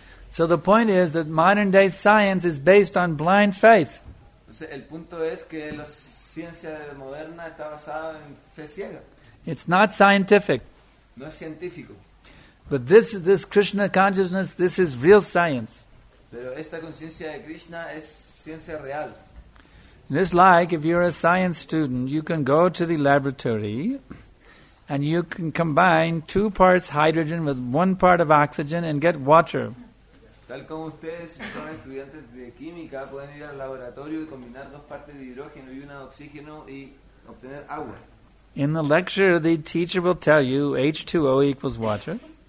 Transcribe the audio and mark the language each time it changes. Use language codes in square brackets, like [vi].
[en] So the point is that modern day science is based on blind faith. [es] Entonces, el punto es que la ciencia moderna está basada en fe ciega. [en] It's not scientific. [es] No es científico. [en] But this Krishna consciousness, this is real science. [es] Pero esta conciencia de Krishna es ciencia real. [en] And it's like if you're a science student, you can go to the laboratory and you can combine two parts hydrogen with one part of oxygen and get water. [es] Tal como ustedes son estudiantes de química, pueden ir al laboratorio y combinar dos partes de hidrógeno y una de oxígeno y obtener agua. [en] In the lecture, the teacher will tell you H2O equals water.